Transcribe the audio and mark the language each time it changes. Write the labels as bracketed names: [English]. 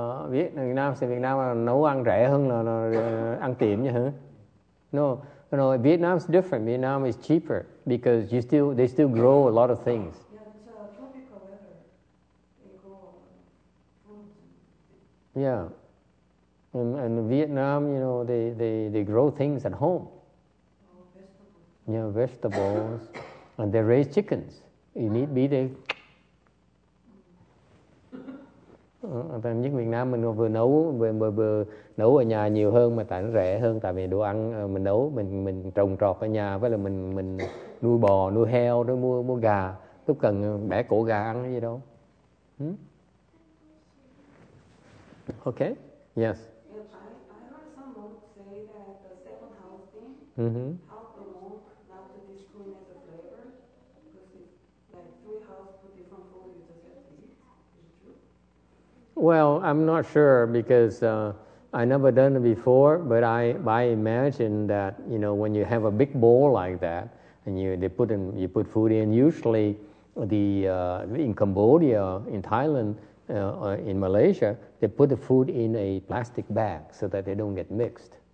[Vietnamese] Vietnam, Vietnam nấu ăn rẻ hơn là ăn tiệm nhá hả? [English] No, no, Vietnam is different. Vietnam is cheaper because you still they still grow a lot of things. Yeah, and Vietnam, you know, they grow things at home. Oh, vegetables. Yeah, vegetables, and they raise chickens. You need be there. [Vietnamese] Tại nhất Việt Nam mình vừa nấu vừa nấu ở nhà nhiều hơn mà tại nó rẻ hơn, tại vì đồ ăn mình nấu mình trồng trọt ở nhà, với là mình nuôi bò nuôi heo rồi mua gà, lúc cần bẻ cổ gà ăn gì đâu. [English] Okay, yes. I heard some monk say that the seventh house thing helped the monk not to discriminate the flavor, because it's like three houses put different food, you just have to eat. Is it true? Well, I'm not sure because I never done it before, but I imagine that, you know, when you have a big bowl like that and you put food in, usually in Cambodia, in Thailand, in Malaysia, they put the food in a plastic bag so that they don't get mixed.